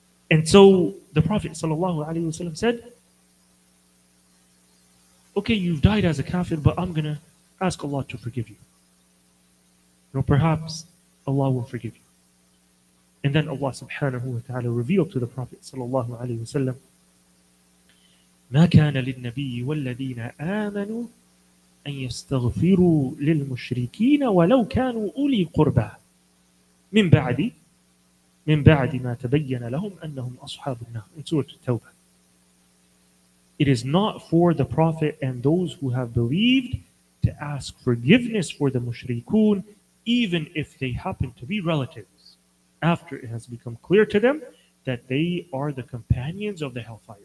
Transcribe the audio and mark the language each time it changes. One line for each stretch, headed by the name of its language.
English: And so the Prophet sallallahu alaihi wasallam said, okay, you've died as a kafir, but I'm going to ask Allah to forgive you. You know, perhaps Allah will forgive you. And then Allah subhanahu wa ta'ala revealed to the Prophet sallallahu alayhi wa sallam,
Arabic: مَا كَانَ لِلنَّبِيِّ وَالَّذِينَ آمَنُوا أَن يَسْتَغْفِرُوا لِلْمُشْرِكِينَ وَلَوْ كَانُوا أُولِي قُرْبَى مِنْ بَعْدِ مَا تَبَيَّنَ لَهُمْ أَنَّهُمْ أَصْحَابُ النَّارِ.
English: In Surah At-Tawbah. It is not for the Prophet and those who have believed to ask forgiveness for the mushrikun, even if they happen to be relatives, after it has become clear to them that they are the companions of the hellfire.